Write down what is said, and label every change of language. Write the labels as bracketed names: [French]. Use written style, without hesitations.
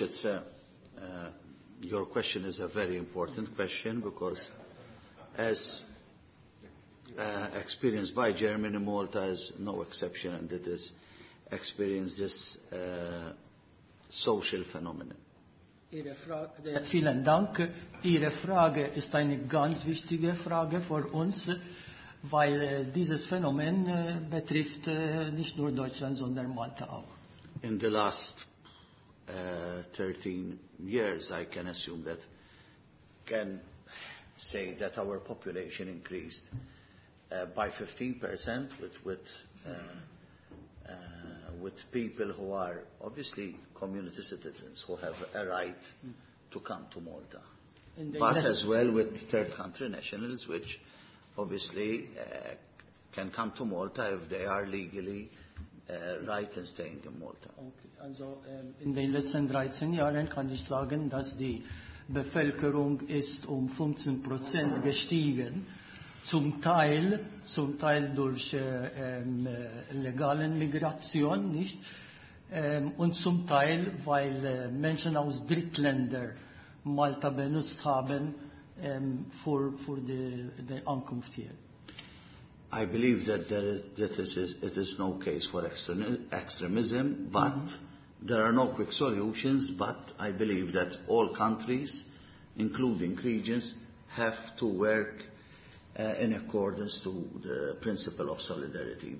[English] It's your question is a very important question because, as experienced by Germany, Malta is no exception, and it has experienced this social phenomenon. [German] Ihre Frage, vielen Dank. Ihre Frage ist eine ganz wichtige Frage für uns, weil dieses Phänomen betrifft nicht nur Deutschland, sondern Malta auch. [English] In the last 13 years, I can assume that, can say that our population increased by 15% with people who are obviously community citizens who have a right to come to Malta, but as well with third country nationals, which obviously can come to Malta if they are legally right and staying in Malta. Okay. [German] Also in den letzten 13 Jahren kann ich sagen, dass die Bevölkerung ist um 15% gestiegen, zum Teil durch legalen Migration, nicht? Und zum Teil, weil Menschen aus Drittländern Malta benutzt haben für die Ankunft hier. [English] I believe that it is no case for extremism, but there are no quick solutions, but I believe that all countries, including regions, have to work in accordance to the principle of solidarity.